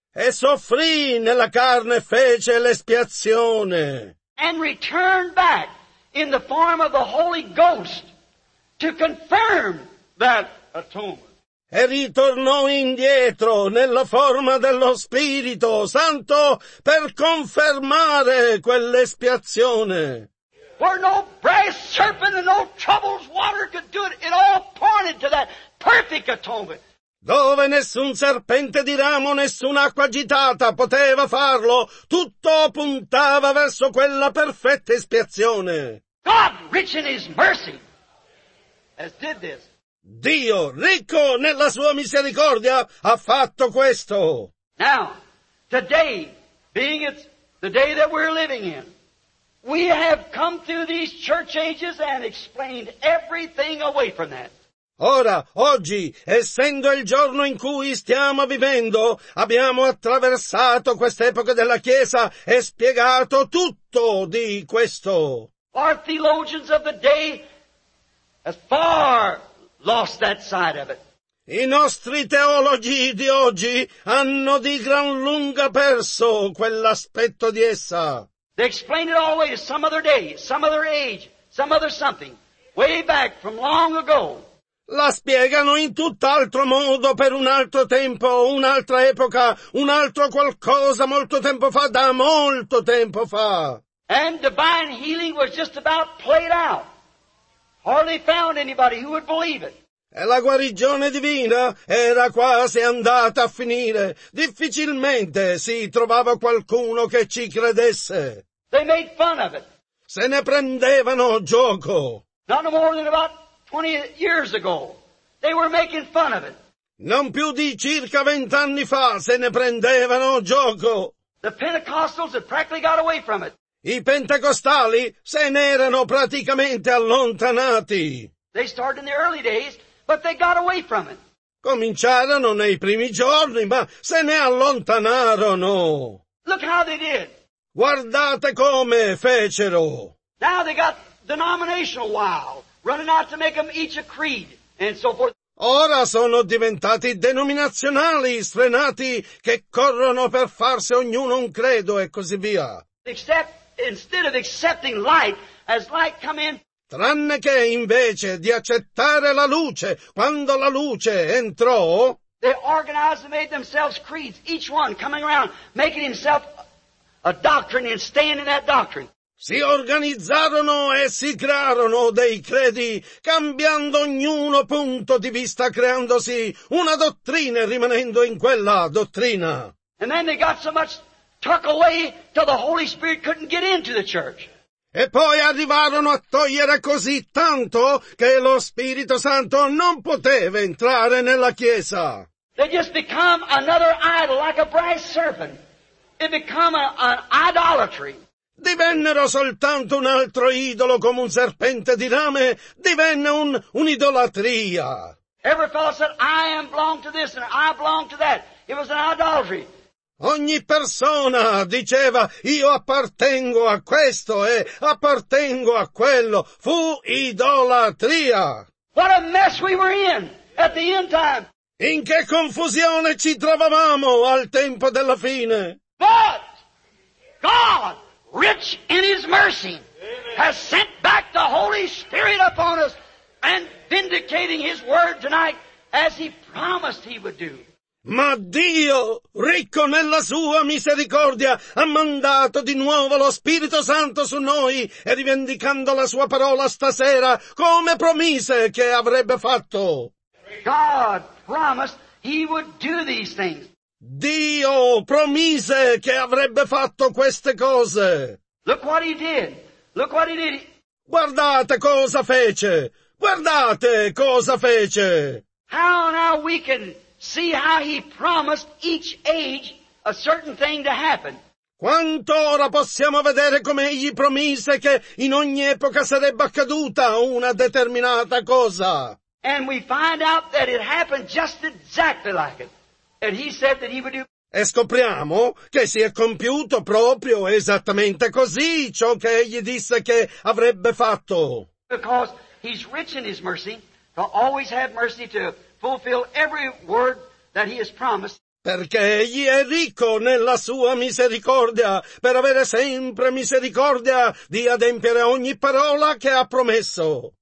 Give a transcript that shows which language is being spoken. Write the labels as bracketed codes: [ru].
[it] E soffrì nella carne e fece l'espiazione. [en] And returned back in the form of the Holy Ghost to confirm that atonement. [it] E ritornò indietro nella forma dello Spirito Santo per confermare quell'espiazione. [en] Where no brass serpent and no troubles water could do it, it all pointed to that perfect atonement. [it] Dove nessun serpente di ramo, nessun'acqua agitata poteva farlo, tutto puntava verso quella perfetta espiazione. [en] God, rich in His mercy, has did this. [it] Dio, ricco nella sua misericordia, ha fatto questo. [en] Now, today, being it's the day that we're living in, we have come through these church ages and explained everything away from that. [it] Ora, oggi, essendo il giorno in cui stiamo vivendo, abbiamo attraversato quest'epoca della Chiesa e spiegato tutto di questo. [en] Our theologians of the day have far lost that side of it. [it] I nostri teologi di oggi hanno di gran lunga perso quell'aspetto di essa. [en] They explain it always some other day, some other age, some other something, way back from long ago. [it] La spiegano in tutt'altro modo, per un altro tempo, un'altra epoca, un altro qualcosa molto tempo fa, da molto tempo fa. [en] And divine healing was just about played out. Hardly found anybody who would believe it. [it] E la guarigione divina era quasi andata a finire. Difficilmente si trovava qualcuno che ci credesse. [en] They made fun of it. [it] Se ne prendevano gioco. [en] Not more than about 20 years ago, they were making fun of it. [it] Non più di circa 20 anni fa se ne prendevano gioco. [en] The Pentecostals had practically got away from it. [it] I pentecostali se ne erano praticamente allontanati. [en] They started in the early days, but they got away from it. [it] Cominciarono nei primi giorni, ma se ne allontanarono. [en] Look how they did. [it] Guardate come fecero. [en] Now they got denominational wild. Running out to make them each a creed, and so forth. [it] Ora sono diventati denominazionali, sfrenati, che corrono per farsi ognuno un credo, e così via. [en] Except, instead of accepting light, as light come in. [it] Tranne che invece di accettare la luce, quando la luce entrò. [en] They organized and made themselves creeds, each one coming around, making himself a doctrine and staying in that doctrine. [it] Si organizzarono e si crearono dei credi, cambiando ognuno punto di vista, creandosi una dottrina e rimanendo in quella dottrina. [en] And then they got so much tucked away till the Holy Spirit couldn't get into the church. [it] E poi arrivarono a togliere così tanto che lo Spirito Santo non poteva entrare nella Chiesa. [en] They just become another idol, like a brass serpent. It became an idolatry. [it] Divennero soltanto un altro idolo, come un serpente di rame, divenne un'idolatria. [en] Every fellow said, I belong to this and I belong to that. It was an idolatry. [it] Ogni persona diceva, io appartengo a questo e appartengo a quello. Fu idolatria. [en] What a mess we were in at the end time. [it] In che confusione ci trovavamo al tempo della fine. [en] But God, rich in His mercy, has sent back the Holy Spirit upon us and vindicating His word tonight as He promised He would do. [it] Ma Dio, ricco nella sua misericordia, ha mandato di nuovo lo Spirito Santo su noi e rivendicando la sua parola stasera come promise che avrebbe fatto. [en] God promised He would do these things. [it] Dio promise che avrebbe fatto queste cose. [en] Look what He did. Look what He did. [it] Guardate cosa fece. Guardate cosa fece. [en] How now we can see how He promised each age a certain thing to happen. [it] Quanto ora possiamo vedere come Egli promise che in ogni epoca sarebbe accaduta una determinata cosa. [en] And we find out that it happened just exactly like it. And He said that He would do. [it] E scopriamo che si è compiuto proprio esattamente così ciò che Egli disse che avrebbe fatto. [en] Because He's rich in His mercy to always have mercy to fulfill every word that He has promised. [it] Perché Egli è ricco nella sua misericordia per avere sempre misericordia di adempiere ogni parola che ha promesso.